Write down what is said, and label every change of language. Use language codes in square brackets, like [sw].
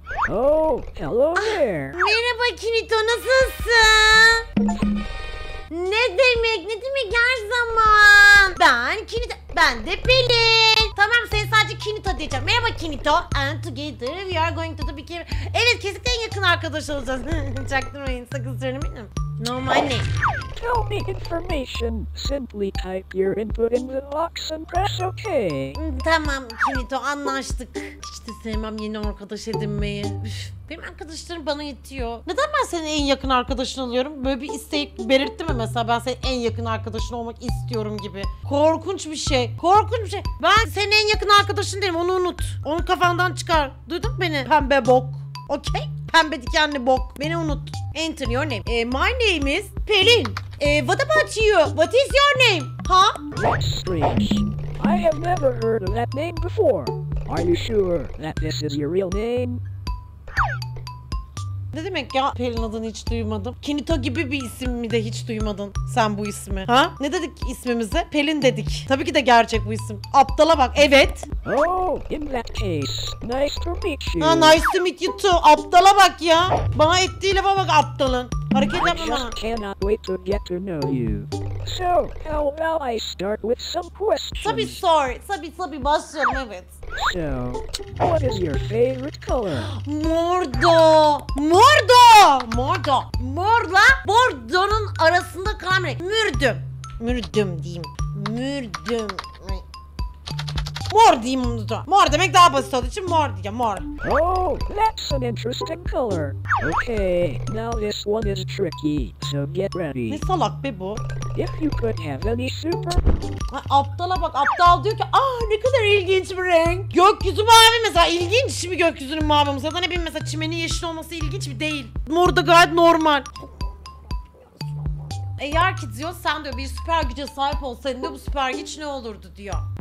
[en] Oh, hello there. [tr] Ah, merhaba Kinito, nasılsın? Ne demek, ne demek her zaman? Ben Kinito, ben de Pelin. Tamam, sen sadece Kinito diyeceğim. Merhaba Kinito. [en] And together we are going to the big game. [tr] Evet, kesinlikle en yakın arkadaş olacağız. Çaktırmayın, sakın söylemeyin. [en] No money. Tell me information. Simply type your input in the box and press OK. [tr] Tamam Kinito anlaştık. Hiç de sevmem yeni arkadaş edinmeyi. Benim arkadaşlarım bana yetiyor. Neden ben senin en yakın arkadaşın oluyorum? Böyle bir isteği belirtti mi mesela ben senin en yakın arkadaşın olmak istiyorum gibi. Korkunç bir şey. Korkunç bir şey. Ben senin en yakın arkadaşın değilim onu unut. Onu kafandan çıkar. Duydun mu beni? Pembe bok. Okey. Pembe dikenli bok. Beni unut. [en] Enter your name. My name is Pelin. What about you? What is your name? Huh? That's strange. I have never heard of that name before. Are you sure that this is your real name? [tr] Ne demek ya Pelin adını hiç duymadım. Kinito gibi bir isim mi de hiç duymadın sen bu ismi? Ha? Ne dedik ismimize? Pelin dedik. Tabii ki de gerçek bu isim. Aptala bak evet. [en] Oh in that case nice to meet you. Ha nice to meet you too. [tr] Aptala bak ya. Bana ettiği lafa bak aptalın. Hareket yapma bana. [en] I just cannot wait to get to know you. So how about I start with some questions? [tr] Tabii sor. Tabii başlayalım evet. [en] So, what is your favorite color? [tr] Mordo! Mordo! Mordo! Mordo'la Bordo'nun arasında kalan renk. Mürdüm. Mürdüm diyeyim. Mürdüm. Mor diyeyim onu da. Mor demek daha basit olduğu için mor diyeceğim. Mor. [en] Oh, that's an interesting color. Okay, now this one is tricky. So get ready. [tr] Ne salak be bu? [en] If you could have any super... [tr] Ha, aptala bak, aptal diyor ki ah ne kadar ilginç bir renk. Gökyüzü mavi mesela, ilginç mi gökyüzünün mavi? Mesela ne bileyim, mesela çimenin yeşil olması ilginç mi? Değil. Mor da gayet normal. Eğer ki diyor sen diyor bir süper güce sahip olsaydın diyor, bu süper güç ne olurdu diyor.